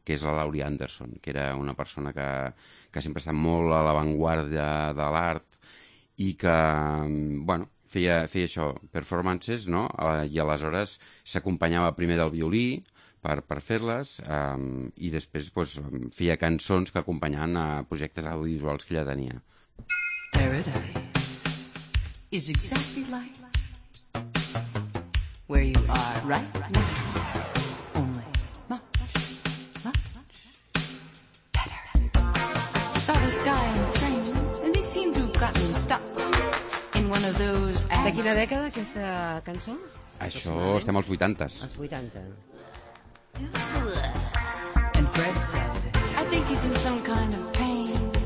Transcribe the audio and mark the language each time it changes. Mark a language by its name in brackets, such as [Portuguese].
[Catalan] Que és la Laurie Anderson, que era una persona que sempre ha estat molt a l'avantguarda de l'art i que, bueno, feia això, performances, no? I aleshores s'acompanyava primer del violí per fer-les, i després pues, feia cançons que acompanyaven a projectes audiovisuals que ella tenia. [English] Paradise is exactly like where you are right now. Only much, much better. Saw this guy on the train and he seemed to have gotten stuck in one of those... [Catalan] De quina dècada aquesta cançó? Això, estem als 80. Als 80. [English] And Fred says I think he's in some kind of pain.